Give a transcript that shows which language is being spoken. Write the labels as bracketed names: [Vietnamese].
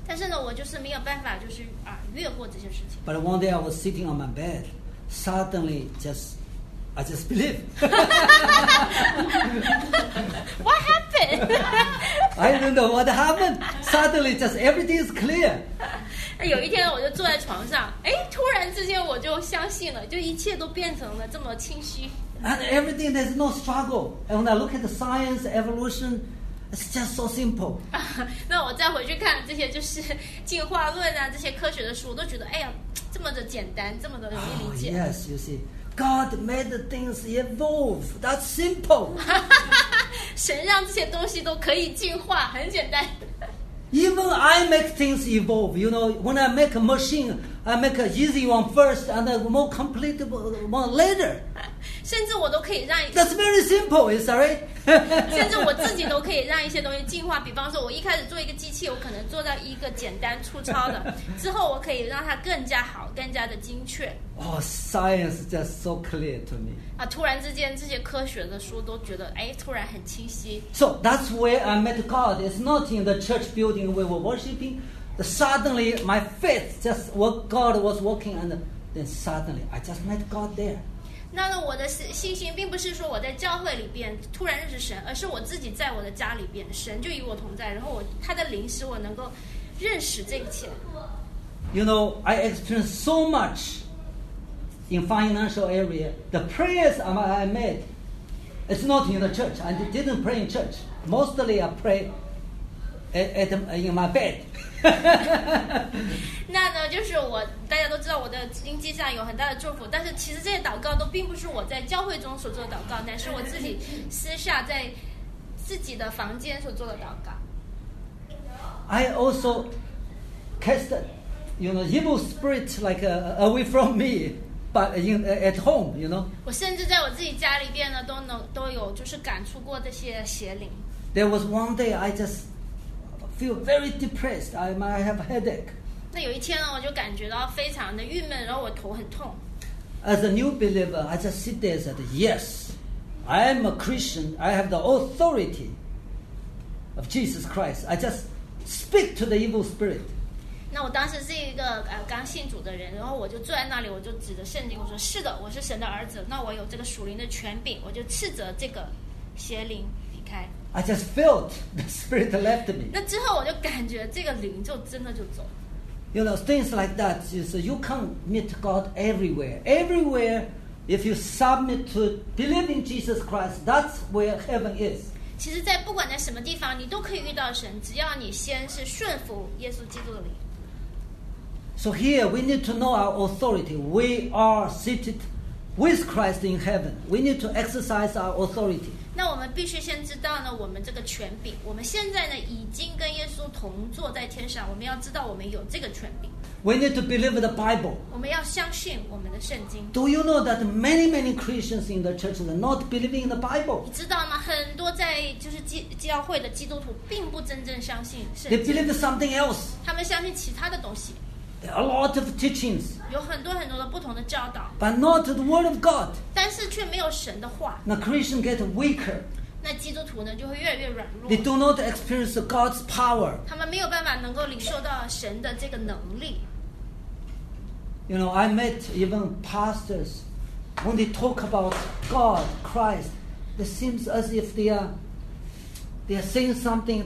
[Chinese] 但是呢，我就是没有办法，就是啊，越过这些事情。 [English] But one day I was sitting on my bed, suddenly I just believe. What happened? I don't know what happened. Suddenly, just everything is clear. [Chinese] 有一天我就坐在床上，哎，突然之间我就相信了，就一切都变成了这么清晰。 [English] And everything, there's no struggle. And when I look at the science, evolution, it's just so simple. [Chinese] 那我再回去看这些就是进化论啊，这些科学的书，我都觉得哎呀，这么的简单，这么的容易理解。 [English] Oh, yes, you see. God made the things evolve. That's simple. [Chinese] 神让这些东西都可以进化，很简单。 [English] Even I make things evolve. You know, when I make a machine, I make an easy one first and a more complete one later. [Chinese] 甚至我都可以让一。 [English] That's very simple, is that right? [Chinese] 甚至我自己都可以让一些东西进化。比方说，我一开始做一个机器，我可能做到一个简单粗糙的，之后我可以让它更加好，更加的精确。 [English] Oh, science is just so clear to me. [Chinese] 啊，突然之间，这些科学的书都觉得，哎，突然很清晰。 [English] So that's where I met God. It's not in the church building we were worshiping. Suddenly, my faith just what God was working, and then suddenly I just met God there. [Chinese] 那我的信心并不是说我在教会里边突然认识神，而是我自己在我的家里边，神就与我同在，然后他的灵使我能够认识这一切。 [English] You know, I experienced so much in financial area. The prayers I made, it's not in the church. I didn't pray in church. Mostly I pray in my bed. [Chinese] 那呢，就是我大家都知道我的经济上有很大的祝福，但是其实这些祷告都并不是我在教会中所做的祷告，乃是我自己私下在自己的房间所做的祷告。 [English] I also cast, you know, evil spirit like away from me, but in at home, you know. [Chinese] 我甚至在我自己家里边呢，都有就是赶出过这些邪灵。 [English] There was one day I just feel very depressed. I might have a headache. [Chinese] 那有一天呢，我就感觉到非常的郁闷，然后我头很痛。 [English] As a new believer, I just sit there and said, "Yes, I am a Christian. I have the authority of Jesus Christ. I just speak to the evil spirit." [Chinese] 那我当时是一个刚信主的人，然后我就坐在那里，我就指着圣经，我说：“是的，我是神的儿子。那我有这个属灵的权柄，我就斥责这个邪灵离开。 [English] ”I just felt the spirit left me. [Chinese] 那之后我就感觉这个灵就真的就走。 [English] You know, things like that, you can't meet God everywhere. Everywhere, if you submit to believing Jesus Christ, that's where heaven is. [Chinese] 其实在不管在什么地方，你都可以遇到神，只要你先是顺服耶稣基督的灵。 [English] So here, we need to know our authority. We are seated with Christ in heaven. We need to exercise our authority. [Chinese] 那我们必须先知道呢，我们这个权柄。我们现在呢，已经跟耶稣同坐在天上。我们要知道我们有这个权柄。 [English] We need to believe the Bible. [Chinese] 我们要相信我们的圣经。 [English] Do you know that many Christians in the church are not believing in the Bible? [Chinese] 你知道吗？很多在就是教会的基督徒并不真正相信圣经。 [English] They believe something else. [Chinese] 他们相信其他的东西。 [English] A lot of teachings, [Chinese] 有很多很多的不同的教导 [English] but not the word of God. [Chinese] 但是却没有神的话 [English] Now Christians get weaker. [Chinese] 那基督徒呢就会越来越软弱。 [English] They do not experience God's power. [Chinese] 他们没有办法能够领受到神的这个能力。 [English] You know, I met even pastors when they talk about God, Christ. It seems as if they are saying something.